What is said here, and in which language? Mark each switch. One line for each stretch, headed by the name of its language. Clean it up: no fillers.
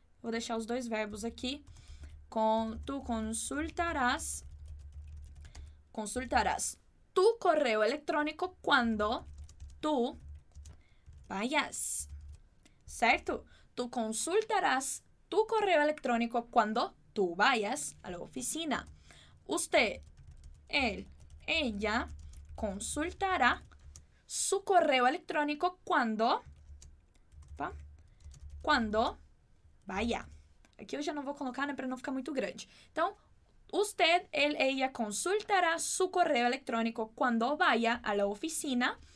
Portuguese: Vou deixar os dois verbos aqui.
Spanish: Tu consultarás tu correo eletrônico quando tu vayas, certo? Tu consultarás tu correo eletrônico quando tu vayas a la oficina. Usted, él, ella consultará su correo eletrónico cuando vaya.
Portuguese: Aqui eu já não vou colocar, né, para não ficar muito grande.
Spanish: Então, usted, él, ella consultará su correo eletrónico cuando vaya a la oficina.